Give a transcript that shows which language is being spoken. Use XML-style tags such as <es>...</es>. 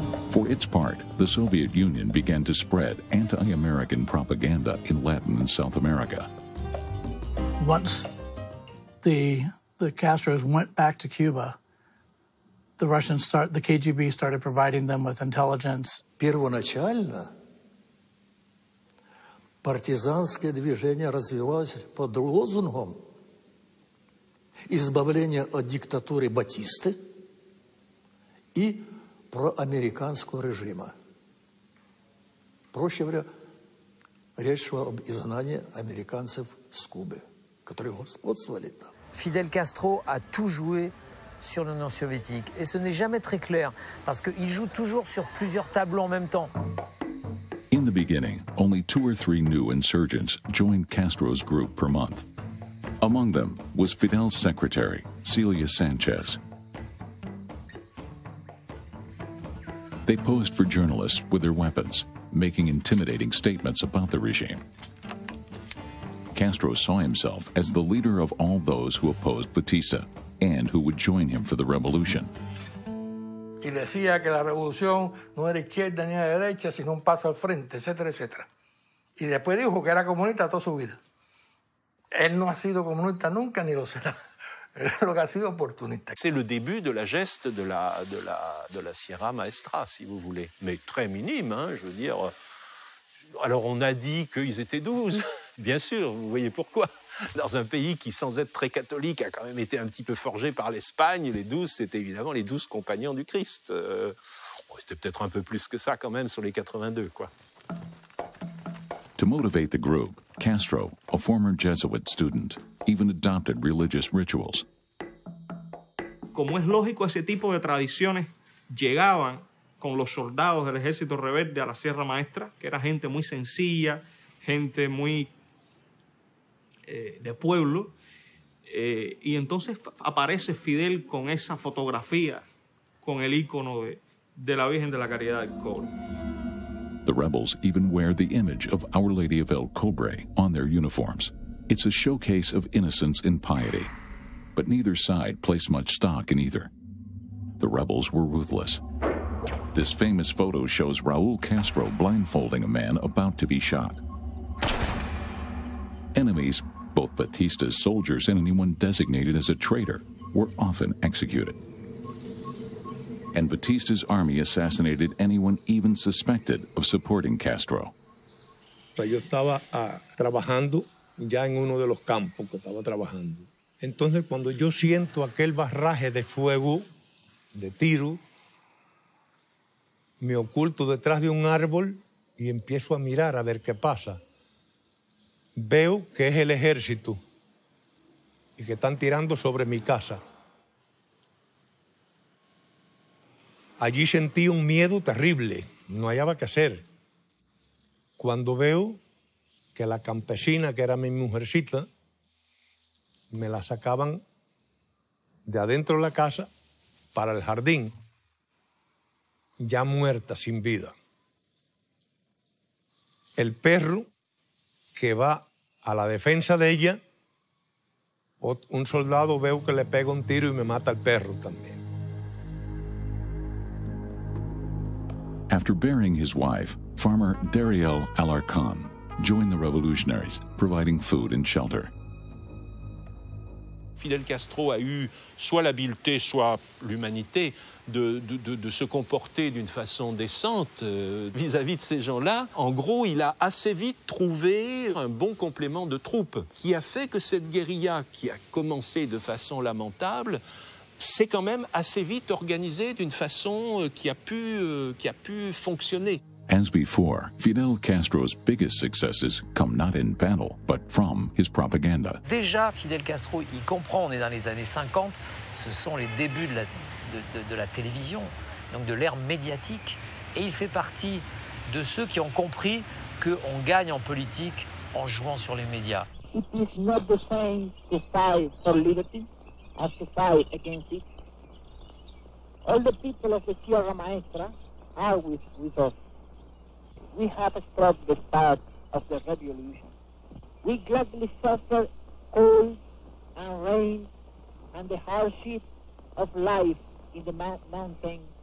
<en>For its part, the Soviet Union began to spread anti-American propaganda in Latin and South America. Once the Castros went back to Cuba, the Russians the KGB started providing them with intelligence.</en> <ru>Первоначально партизанское движение развивалось под лозунгом избавления от диктатуры Батисты и проамериканского режима. Проще говоря, речь шла об изгнании американцев с Кубы, которые господствовали там.</ru> <fr>Фидель Кастро a tout joué sur l'Union soviétique. Et ce n'est jamais très clair, parce qu'il joue toujours sur plusieurs tableaux en même temps.</fr> <en>In the beginning, only two or three new insurgents joined Castro's group per month. Among them was Fidel's secretary, Celia Sanchez. They posed for journalists with their weapons, making intimidating statements about the regime. Castro saw himself as the leader of all those who opposed Batista and who would join him for the revolution.</en> <es>Y decía que la revolución no era izquierda ni derecha, sino un paso al frente, etcétera, etcétera. Y después dijo que era comunista toda su vida. Él no ha sido comunista nunca ni lo será. Lo que ha sido oportunista.</es> <fr>C'est le début de la geste de la Sierra Maestra, si vous voulez. Mais très minime, hein, je veux dire. Alors on a dit qu'ils étaient 12. Bien sûr, vous voyez pourquoi. Dans un pays qui, sans être très catholique, a quand même été un petit peu forgé par l'Espagne, les 12, c'était évidemment les 12 compagnons du Christ. C'était peut-être un peu plus que ça quand même sur les 82, quoi.</fr> <en>To motivate the group, Castro, a former Jesuit student, even adopted religious rituals.</en> <es>Como es lógico, ese tipo de tradiciones llegaban con los soldados del ejército rebelde a la Sierra Maestra, que era gente muy sencilla, gente muy de pueblo, y entonces aparece Fidel con esa fotografía, con el icono de la Virgen de la Caridad del Cobre.</es> <en>The rebels even wear the image of Our Lady of El Cobre on their uniforms. It's a showcase of innocence and piety. But neither side placed much stock in either. The rebels were ruthless. This famous photo shows Raúl Castro blindfolding a man about to be shot. Enemies, both Batista's soldiers and anyone designated as a traitor, were often executed. And Batista's army assassinated anyone even suspected of supporting Castro.</en> <es>Yo estaba trabajando ya en uno de los campos que estaba trabajando. Entonces, cuando yo siento aquel barraje de fuego, de tiro, me oculto detrás de un árbol y empiezo a mirar a ver qué pasa. Veo que es el ejército y que están tirando sobre mi casa. Allí sentí un miedo terrible, no hallaba qué hacer. Cuando veo que la campesina, que era mi mujercita, me la sacaban de adentro de la casa para el jardín, ya muerta, sin vida. El perro que va a la defensa de ella, un soldado veo que le pega un tiro y me mata el perro también.</es> <en>After burying his wife, farmer Dariel Alarcón joined the revolutionaries, providing food and shelter.</en> <fr>Fidel Castro a eu soit l'habileté, soit l'humanité de se comporter d'une façon décente vis-à-vis de ces gens-là. En gros, il a assez vite trouvé un bon complément de troupes qui a fait que cette guérilla, qui a commencé de façon lamentable, s'est quand même assez vite organisée d'une façon qui a pu fonctionner.</fr> <en>As before, Fidel Castro's biggest successes come not in battle, but from his propaganda.</en> <fr>Déjà, Fidel Castro, il comprend, on est dans les années 50, ce sont les débuts de la télévision, donc de l'ère médiatique, et il fait partie de ceux qui ont compris qu'on gagne en politique en jouant sur les médias.</fr> <en>It is not the same to fight for liberty as to fight against it. All the people of the Sierra Maestra are with us. We have stopped the start of the revolution. We gladly suffer cold and rain and the hardship of life in the mountain.</en>